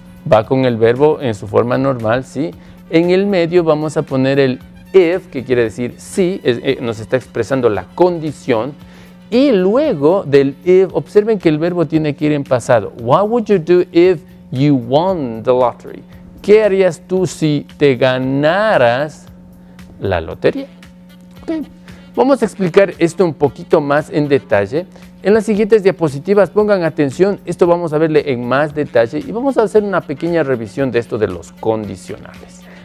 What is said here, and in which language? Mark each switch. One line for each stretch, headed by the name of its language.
Spanish: Va con el verbo en su forma normal, ¿sí? En el medio vamos a poner el if, que quiere decir sí, nos está expresando la condición. Y luego del if, observen que el verbo tiene que ir en pasado.
English: What would you do if you won the lottery?
Spanish: ¿Qué harías tú si te ganaras la lotería? Okay. Vamos a explicar esto un poquito más en detalle. En las siguientes diapositivas, pongan atención, esto vamos a verle en más detalle y vamos a hacer una pequeña revisión de esto de los condicionales.